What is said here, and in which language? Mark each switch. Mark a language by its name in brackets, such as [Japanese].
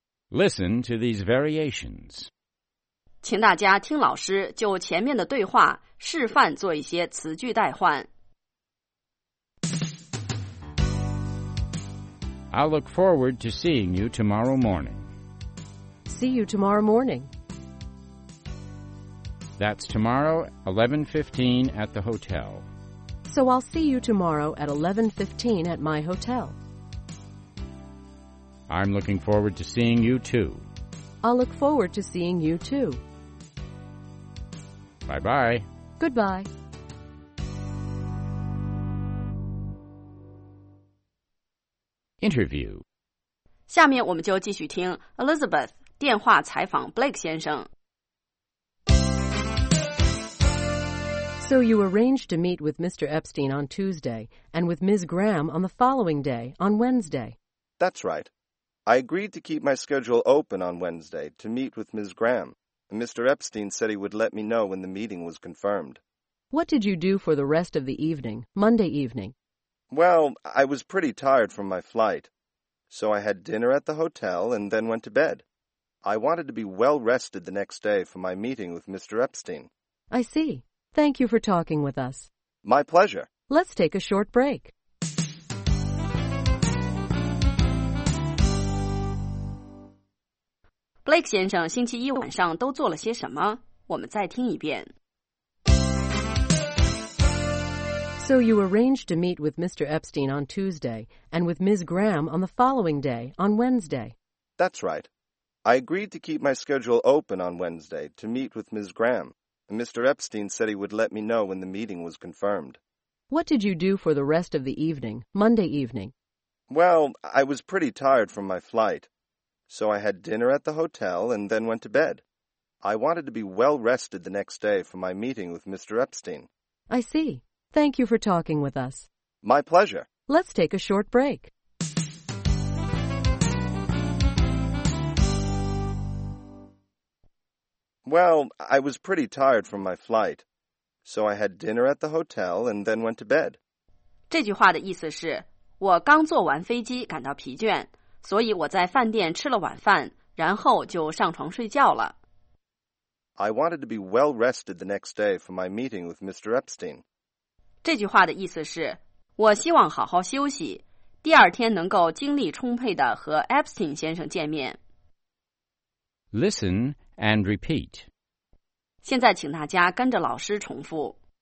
[English] Listen to these variations. [Chinese] 请大家听老师就前面的对话示范做一些词句代换。 [English] I'll look forward to seeing you tomorrow morning. See you tomorrow morning. That's tomorrow, 11:15 at the hotel. So I'll see you tomorrow at 11:15 at my hotel. I'm looking forward to seeing you too. I'll look forward to seeing you too. Bye-bye. Goodbye. Interview. [Chinese] 下面我们就继续听 Elizabeth 电话采访 Blake 先生。 [English] So you arranged to meet with Mr. Epstein on Tuesday and with Ms. Graham on the following day, on Wednesday. That's right. I agreed to keep my schedule open on Wednesday to meet with Ms. Graham. And Mr. Epstein said he would let me know when the meeting was confirmed. What did you do for the rest of the evening, Monday evening? Well, I was pretty tired from my flight, so I had dinner at the hotel and then went to bed. I wanted to be well rested the next day for my meeting with Mr. Epstein. I see. Thank you for talking with us. My pleasure. Let's take a short break. [Chinese] Blake 先生星期一晚上都做了些什么？我们再听一遍。 [English] So you arranged to meet with Mr. Epstein on Tuesday and with Ms. Graham on the following day, on Wednesday. That's right. I agreed to keep my schedule open on Wednesday to meet with Ms. Graham. And Mr. Epstein said he would let me know when the meeting was confirmed. What did you do for the rest of the evening, Monday evening? Well, I was pretty tired from my flight, so I had dinner at the hotel and then went to bed. I wanted to be well rested the next day for my meeting with Mr. Epstein. I see. Thank you for talking with us. My pleasure. Let's take a short break. Well, I was pretty tired from my flight, so I had dinner at the hotel and then went to bed. [Chinese] 这句话的意思是，我刚坐完飞机感到疲倦，所以我在饭店吃了晚饭，然后就上床睡觉了。 [English] I wanted to be well rested the next day for my meeting with Mr. Epstein. [Chinese] 这句话的意思是，我希望好好休息，第二天能够精力充沛地和 Epstein 先生见面。 [English] Listen and repeat. [Chinese] 现在请大家跟着老师重复。